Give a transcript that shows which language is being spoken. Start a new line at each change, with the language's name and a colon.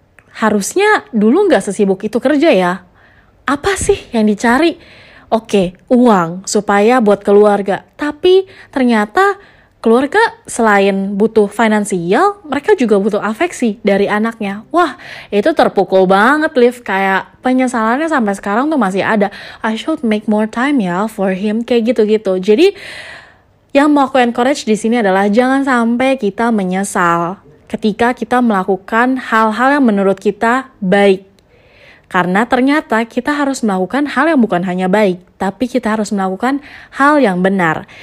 Indonesian: Harusnya dulu gak sesibuk itu kerja ya. Apa sih yang dicari? Oke, uang supaya buat keluarga. Tapi ternyata keluarga selain butuh finansial, mereka juga butuh afeksi dari anaknya. Wah, itu terpukul banget, Liv. Kayak penyesalannya sampai sekarang tuh masih ada.
English: I should make more time ya for him.
Indonesian: Kayak gitu-gitu. Jadi, yang mau aku encourage di sini adalah jangan sampai kita menyesal ketika kita melakukan hal-hal yang menurut kita baik. Karena ternyata kita harus melakukan hal yang bukan hanya baik, tapi kita harus melakukan hal yang benar.